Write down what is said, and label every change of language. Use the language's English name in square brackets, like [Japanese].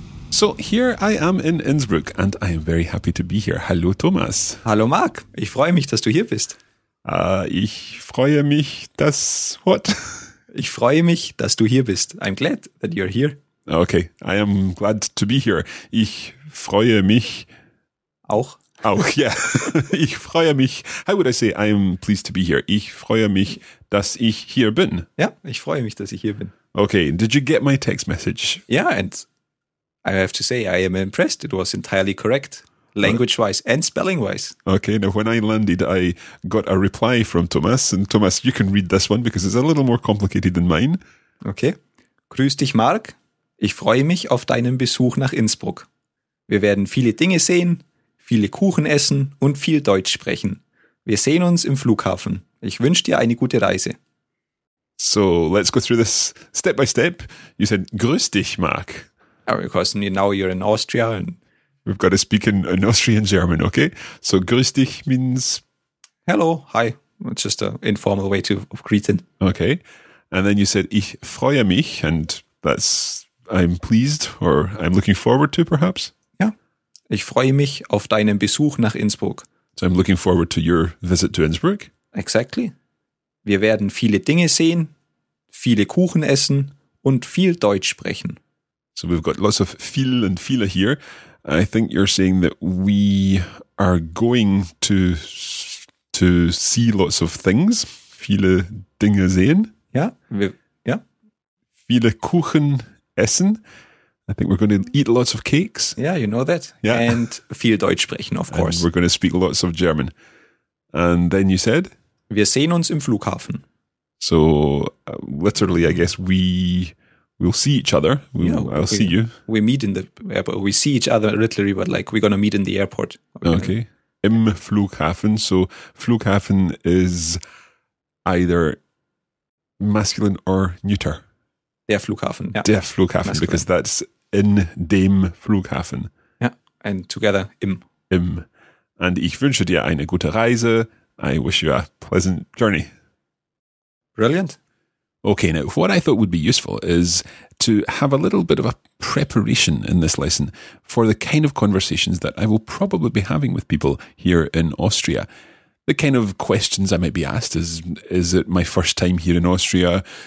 [English] So, here I am in Innsbruck and I am very happy to be here. [German] Hallo Thomas! Hallo Marc! Ich freue mich, dass du hier bist. Ich freue mich, dass... [English] What? [German] Ich freue mich, dass du hier bist. [English] I'm glad that you're here. Okay, I am glad to be here. [German] Ich freue mich. Auch? Auch, yeah. Ich freue mich. [English] How would I say I am pleased to be here? [German] Ich freue mich, dass ich hier bin. Ja, ich freue mich, dass ich hier bin. [English] Okay, did you get my text message? Yeah, and I have to say I am impressed. It was entirely correct, language-wise and spelling-wise. Okay, now when I landed, I got a reply from Thomas. And Thomas, you can read this one, because it's a little more complicated than mine. [German] Okay. Grüß dich, Mark. Ich freue mich auf deinen Besuch nach Innsbruck. Wir werden viele Dinge sehen, viele Kuchen essen und viel Deutsch sprechen. Wir sehen uns im Flughafen. Ich wünsche dir eine gute Reise. [English] So, let's go through this step by step. You said, [German] grüß dich, [English] Mark. Because now you're in Austria and... We've got to speak in Austrian German, okay? So, [German] grüß dich [English] means... Hello, hi. It's just an informal way of greeting. Okay. And then you said, [German] ich freue mich, [English] and that's, I'm pleased, or I'm looking forward to, perhaps? Yeah. [German] Ich freue mich auf deinen Besuch nach Innsbruck. [English] So, I'm looking forward to your visit to Innsbruck? Exactly. [German] Wir werden viele Dinge sehen, viele Kuchen essen und viel Deutsch sprechen. [English] So, we've got lots of viel and viele here. I think you're saying that we are going to see lots of things. [German] Viele Dinge sehen. Ja, wir, ja. Viele Kuchen essen. [English] I think we're going to eat lots of cakes. Yeah, you know that. Yeah. And [German] viel Deutsch sprechen, [English] of course. And we're going to speak lots of German. And then you said? [German] Wir sehen uns im Flughafen. [English] So literally, I guess we'll see each other. See you. We meet in the airport. We see each other literally, but like we're going to meet in the airport. Okay. Im Flughafen. So Flughafen is either masculine or neuter. [German] Der Flughafen. Yeah. [English] Der Flughafen, masculine. Because that's [German] in dem Flughafen. [English] Yeah. And together, im. [German] Im. [English] And [German] ich wünsche dir eine gute Reise. [English] I wish you a pleasant journey. Brilliant. Okay, now what I thought would be useful is to have a little bit of a preparation in this lesson for the kind of conversations that I will probably be having with people here in Austria. The kind of questions I might be asked is it my first time here in Austria?